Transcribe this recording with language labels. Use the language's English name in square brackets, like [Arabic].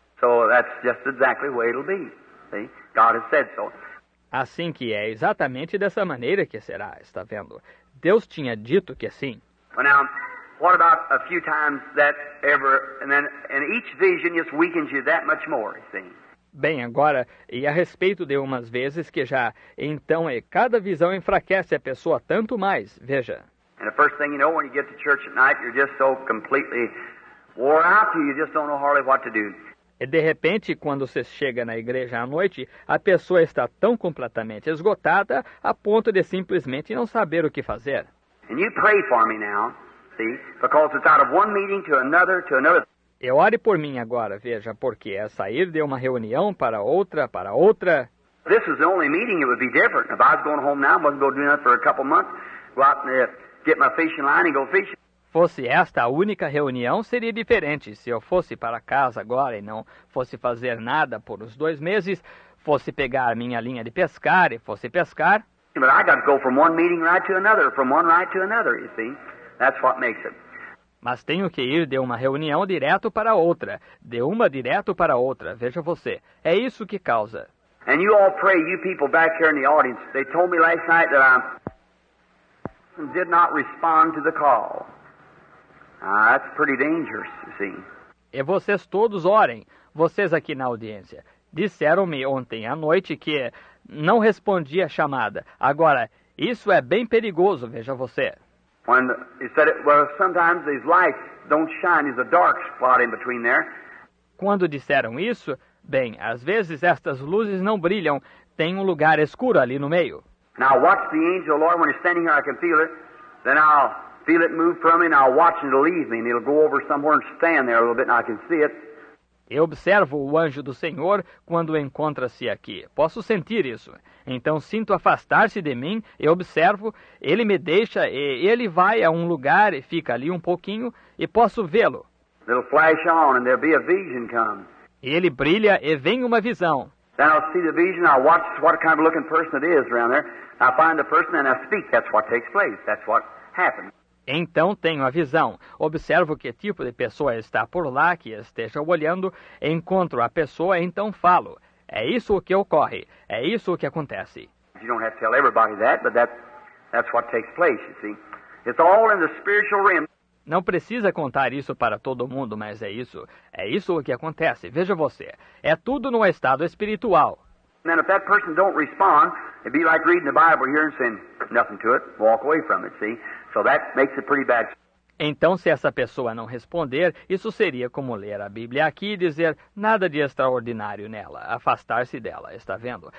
[English] So that's just exactly the way it'll be. See? God has said so. [Portuguese] Assim que é, exatamente dessa maneira que será, está vendo? Deus tinha dito que sim. [English] Well, now, what about a few times that ever, and then, and each vision just weakens you that much more, you see? [Portuguese] Bem, agora, e a respeito de umas vezes que já, então, e cada visão enfraquece a pessoa tanto mais, veja. [English] And the first thing you know, when you get to church at night, you're just so completely wore out, you just don't know hardly what to do. [Portuguese] E de repente, quando você chega na igreja à noite, a pessoa está tão completamente esgotada a ponto de simplesmente não saber o que fazer. [English] And you pray for me now, see? Because it's out of one meeting to another. [Portuguese] E ore por mim agora, veja, porque é sair de uma reunião para outra. [English] This is the only meeting it would be different. If I was going home now, I wasn't going to do nothing for a couple months. Go out and get my fishing line and go fishing. [Portuguese] Fosse esta a única reunião, seria diferente. Se eu fosse para casa agora e não fosse fazer nada por uns dois meses, fosse pegar minha linha de pescar e fosse pescar. [English] But I got to go from one meeting right to another, from one right to another, you see. That's what makes it. [Portuguese] Mas tenho que ir de uma reunião direto para outra, de uma direto para outra, veja você. É isso que causa. [English] And you all pray, you people back here in the audience, they told me last night that I did not respond to the call. That's pretty dangerous, you see. [Portuguese] E vocês todos orem, vocês aqui na audiência. Disseram-me ontem à noite que não respondi à chamada. Agora, isso é bem perigoso, veja você. [English] When he said it, well, sometimes these lights don't shine, there's a dark spot in between there. [Portuguese] Quando disseram isso, bem, às vezes estas luzes não brilham, tem um lugar escuro ali no meio. [English] Now watch the angel, Lord, when he's standing here, I can feel it, then I'll... feel it move from me and I'll watch it leave me and it'll go over somewhere and stand there a little bit and I can see it. [Portuguese] Eu observo o anjo do Senhor quando encontra-se aqui. Posso sentir isso. Então sinto afastar-se de mim, eu observo, ele me deixa e ele vai a um lugar e fica ali um pouquinho e posso vê-lo. [English] It'll flash on and there'll be a vision come. [Portuguese] E ele brilha e vem uma visão. [English] Then I'll see the vision, I'll watch what kind of looking person it is around there. I find the person and I speak, that's what takes place, that's what happens. [Portuguese] Então tenho a visão, observo que tipo de pessoa está por lá, que esteja olhando, encontro a pessoa e então falo. É isso o que ocorre, é isso o que acontece. [English] You don't have to tell everybody that, but that's what takes place, you see. It's all in the spiritual realm. [Portuguese] Não precisa contar isso para todo mundo, mas é isso o que acontece. Veja você, é tudo no estado espiritual. [English] And then if that person don't respond, it'd be like reading the Bible here and saying nothing to it, walk away from it, see. So that makes it pretty bad. [Portuguese] Então, se essa pessoa não responder, isso seria como ler a Bíblia aqui e dizer nada de extraordinário nela, afastar-se dela, está vendo?